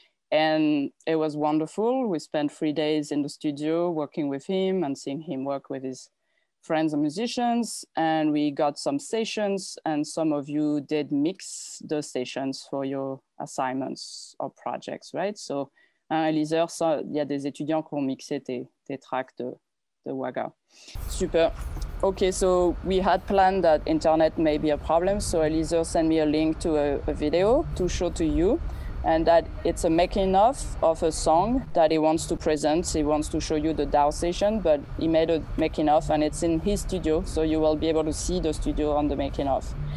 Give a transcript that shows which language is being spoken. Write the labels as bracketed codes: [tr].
[en] And it was wonderful. We spent 3 days in the studio working with him and seeing him work with his friends and musicians. And we got some sessions, and some of you did mix the sessions for your assignments or projects, right? [fr] So, Eliezer, so il y a des étudiants qui ont mixé tes tracks de Ouaga. [en] Super. Okay, so we had planned that internet may be a problem, so Eliezer sent me a link to a video to show to you, and that it's a making of a song that he wants to present. He wants to show you the DAW session, but he made a making of, and it's in his studio, so you will be able to see the studio on the making of.